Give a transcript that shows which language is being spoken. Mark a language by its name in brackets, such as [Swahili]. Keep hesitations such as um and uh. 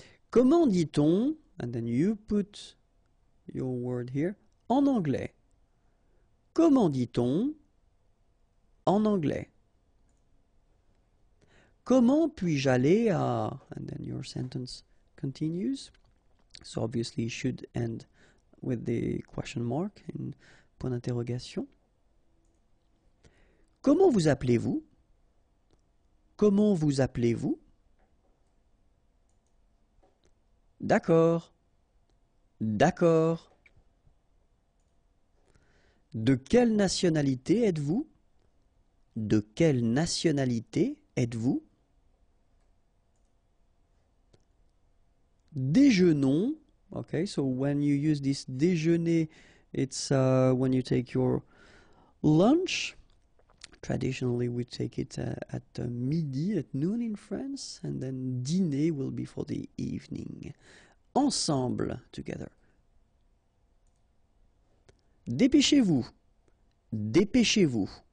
[French] Comment dit-on, [English] and then you put your word here, [French] en anglais Comment dit-on en anglais Comment puis-je aller à... [English] And then your sentence continues. So obviously you should end with the question mark, in [French] point d'interrogation. Comment vous appelez-vous Comment vous appelez-vous D'accord. D'accord. De quelle nationalité êtes-vous De quelle nationalité êtes-vous Déjeunons. [English] OK, so when you use this déjeuner, it's uh, when you take your lunch. traditionally we take it uh, at uh, midi at noon in France and then dîner will be for the evening ensemble together [French] dépêchez-vous dépêchez-vous